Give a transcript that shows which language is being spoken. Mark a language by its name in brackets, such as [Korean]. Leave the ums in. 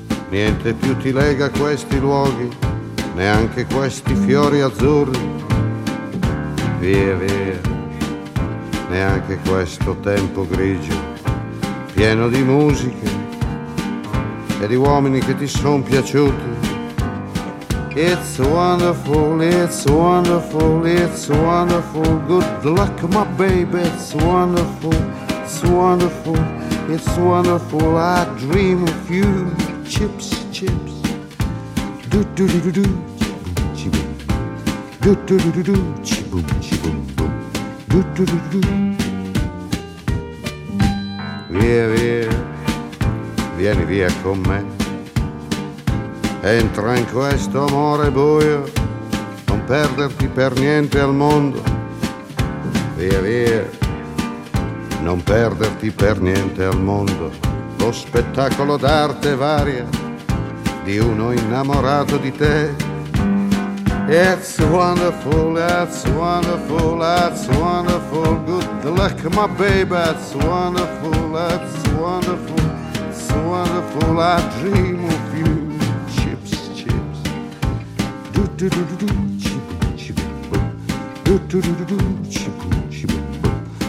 [Italian] Niente più ti lega a questi luoghi, neanche questi fiori azzurri. Via, via, neanche questo tempo grigio, pieno di musiche e di uomini che ti sono piaciuti. [English] It's wonderful, it's wonderful, it's wonderful. Good luck, my baby, it's wonderful, it's wonderful. It's wonderful, I dream of you. Chips, chips. Do do do do do. Chiboom. Do do do do do. Chiboom, chiboom, boom. Do do do do do. [Italian] Via, via. Vieni via con me. Entra in questo amore buio. Non perderti per niente al mondo. Via, via non perderti per niente al mondo lo spettacolo d'arte varia di uno innamorato di te. [English] It's wonderful, that's wonderful, that's wonderful. Good luck, my baby, that's wonderful, that's wonderful, it's wonderful. I dream of you. Chips, chips. Do do do do do, chip, chip, boom. Do do do do do, chip, chip, boom.